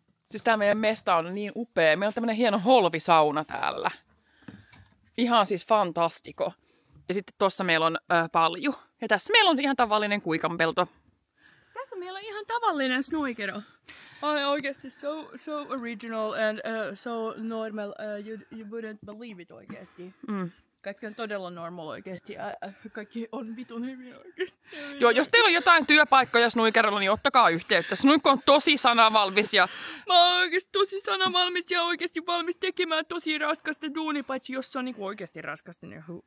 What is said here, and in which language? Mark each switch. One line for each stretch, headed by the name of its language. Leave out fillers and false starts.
Finnish: Siis tää meidän mesta on niin upea. Meillä on tämmönen hieno holvisauna täällä. Ihan siis fantastiko. Ja sitten tossa meillä on palju. Ja tässä meillä on ihan tavallinen kuikanpelto. Tässä meillä on ihan tavallinen snuikero. Ai oikeesti,
English: so original and so normal. You wouldn't believe it
Finnish: oikeesti. Kaikki on todella normal oikeesti. Kaikki on vitun hyvin oikeesti. Joo, jos teillä on jotain työpaikkoja snuikerolla, niin ottakaa yhteyttä. Snuikko on tosi sanavalmis. Ja... Mä oon oikeesti tosi sanavalmis ja oikeesti valmis tekemään tosi raskasta duunia, paitsi jos se on niinku oikeesti raskasta. Niin...